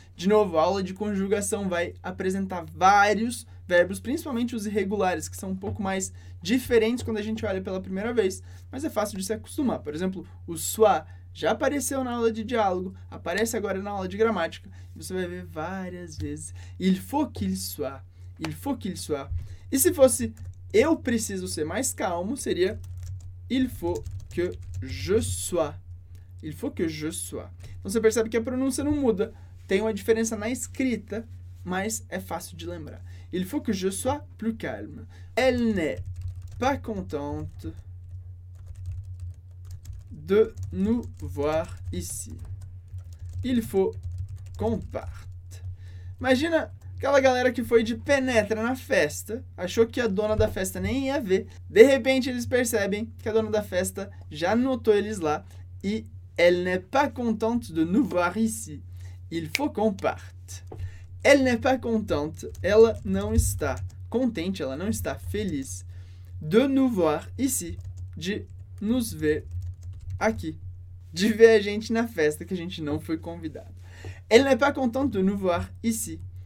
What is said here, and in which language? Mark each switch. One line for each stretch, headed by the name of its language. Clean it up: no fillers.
Portuguese: De novo, a aula de conjugação vai apresentar vários verbos, principalmente os irregulares, que são um pouco mais diferentes quando a gente olha pela primeira vez, mas é fácil de se acostumar. Por exemplo, o soit já apareceu na aula de diálogo, aparece agora na aula de gramática, e você vai ver várias vezes.
French: Il faut qu'il soit, il faut qu'il soit.
Portuguese: E se fosse eu preciso ser mais calmo, seria
French: il faut que je sois. Il faut que je sois.
Portuguese: Então você percebe que a pronúncia não muda, tem uma diferença na escrita, mas é fácil de lembrar.
French: Il faut que je sois plus calme. Elle n'est pas contente de nous voir ici. Il faut qu'on parte.
Portuguese: Imagina aquela galera que foi de penetra na festa, achou que a dona da festa nem ia ver. De repente eles percebem que a dona da festa já notou eles lá e
French: elle n'est pas contente de nous voir ici. Il faut qu'on parte. Elle n'est pas contente,
Portuguese: ela não está contente, ela não está feliz
French: de nous voir ici,
Portuguese: de nos ver aqui, de ver a gente na festa que a gente não foi convidado.
French: Elle n'est pas contente de nous voir ici.